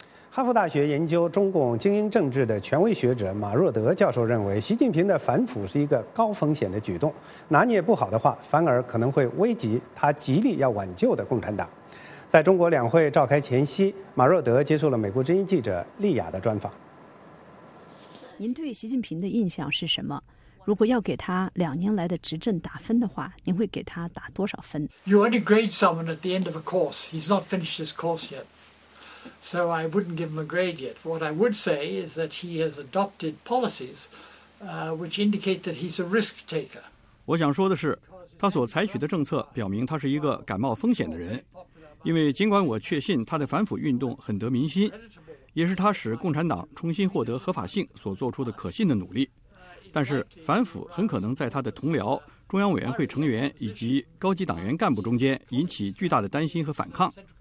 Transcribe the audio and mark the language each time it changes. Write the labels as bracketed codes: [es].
[zh] 哈佛大学研究中共精英政治的权威学者马若德教授认为，习近平的反腐是一个高风险的举动，拿捏不好的话，反而可能会危及他极力要挽救的共产党。在中国两会召开前夕，马若德接受了美国之音记者丽雅的专访。您对习近平的印象是什么？如果要给他两年来的执政打分的话，您会给他打多少分？ [en] You only grade someone at the end of a course. He's not finished his course yet. So I wouldn't give him a grade yet. What I would say is that he has adopted policies which indicate that he's a risk taker. [zh] 我想说的是，他所采取的政策表明他是一个敢冒风险的人。因为尽管我确信他的反腐运动很得民心，也是他使共产党重新获得合法性所做出的可信的努力，但是反腐很可能在他的同僚、中央委员会成员以及高级党员干部中间引起巨大的担心和反抗。